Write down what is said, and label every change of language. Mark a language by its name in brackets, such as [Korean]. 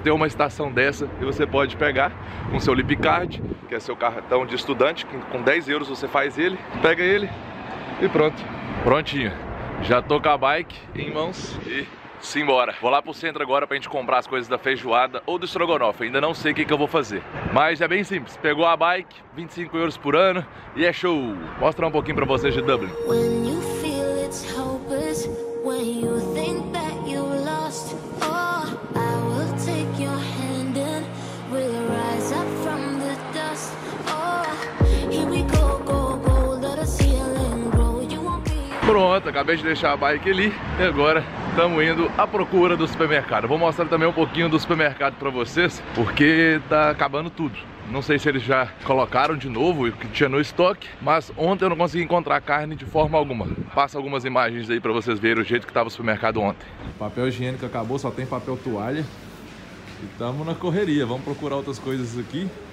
[Portuguese] Tem uma estação dessa e você pode pegar com seu Lip Card, que é seu cartão de estudante, que com 10 euros você faz ele, pega ele e pronto. Prontinho, já tô com a bike em mãos e simbora. Vou lá pro centro agora pra gente comprar as coisas da feijoada ou do estrogonofe. Ainda não sei o que eu vou fazer. Mas é bem simples. Pegou a bike, 25 euros por ano e é show. Mostra um pouquinho pra vocês de Dublin. [English] When you feel it's hopeless, when you think that you lost, oh, I will take your hand and we'll rise up from the dust. Oh, here we go, go, go, let us heal and grow. You won't be... [Portuguese] Pronto, acabei de deixar a bike ali e agora estamos indo à procura do supermercado. Vou mostrar também um pouquinho do supermercado para vocês, porque tá acabando tudo. Não sei se eles já colocaram de novo o que tinha no estoque, mas ontem eu não consegui encontrar carne de forma alguma. Passa algumas imagens aí para vocês verem o jeito que estava o supermercado ontem. Papel higiênico acabou, só tem papel toalha. E estamos na correria, vamos procurar outras coisas aqui.